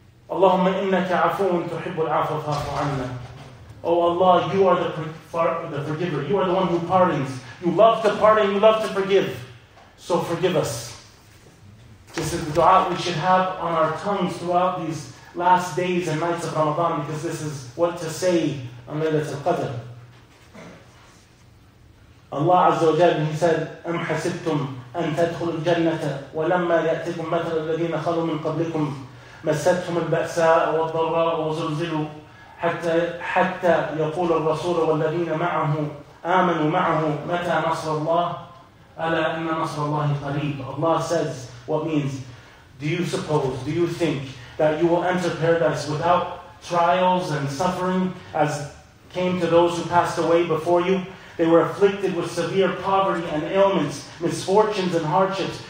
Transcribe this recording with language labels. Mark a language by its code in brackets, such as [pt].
[ar] Allahumma innaka afoon tuhibbu al-afwa fa'fu 'anna. [en] Oh Allah, you are the forgiver. You are the one who pardons. You love to pardon, you love to forgive. So forgive us. This is the dua we should have on our tongues throughout these last days and nights of Ramadan, because this is what to say on Laylatul Qadr. Allah Azza wa Jalla, He said, [ar] أَمْ حَسِبْتُمْ أَنْ تَدْخُلُوا الْجَنَّةَ وَلَمَّا يَأْتِكُمْ مَثَلُ الَّذِينَ خَلُوا مِنْ قَبْلِكُمْ مَسَّتْهُمُ الْبَأْسَاءُ وَالضَّرَّاءُ وَزُلْزِلُوا حتى يقول الرسول والذين معه آمنوا معه متى نصر الله ألا إن نصر الله قريب. [en] Allah says, what means, do you suppose, do you think that you will enter paradise without trials and suffering as came to those who passed away before you? They were afflicted with severe poverty and ailments, misfortunes and hardships.